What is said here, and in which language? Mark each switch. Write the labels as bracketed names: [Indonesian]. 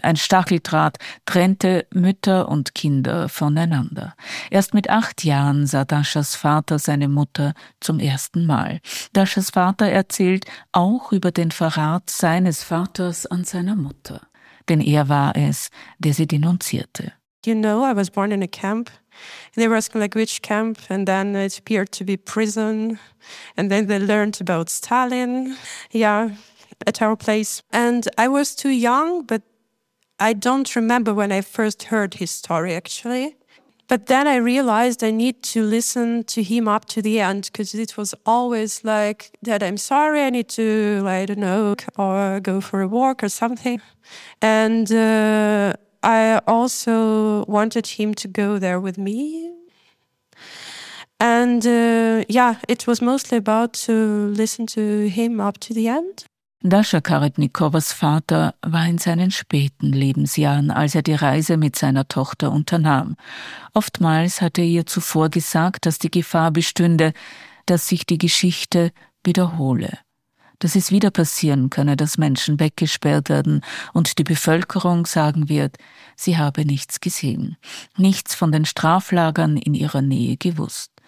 [German] Ein Stacheldraht trennte Mütter und Kinder voneinander. Erst mit 8 Jahren sah Daschas Vater seine Mutter zum ersten Mal. Daschas Vater erzählt auch über den Verrat seines Vaters an seiner Mutter. Denn er war es, der sie denunzierte. [English] You know, I was born in a camp. They were asking like which camp, and then it appeared to be prison. And then they learned about Stalin, yeah, at our place. And I was too young, but I don't remember when I first heard his story actually. But then I realized I need to listen to him up to the end, because it was always like that I'm sorry, I need to, I don't know, or go for a walk or something. And I also wanted him to go there with me. And yeah, it was mostly about to listen to him up to the end. [German] Dascha Karibnikovas Vater war in seinen späten Lebensjahren, als er die Reise mit seiner Tochter unternahm. Oftmals hatte er ihr zuvor gesagt, dass die Gefahr bestünde, dass sich die Geschichte wiederhole. Dass es wieder passieren könne, dass Menschen weggesperrt werden und die Bevölkerung sagen wird, sie habe nichts gesehen, nichts von den Straflagern in ihrer Nähe gewusst.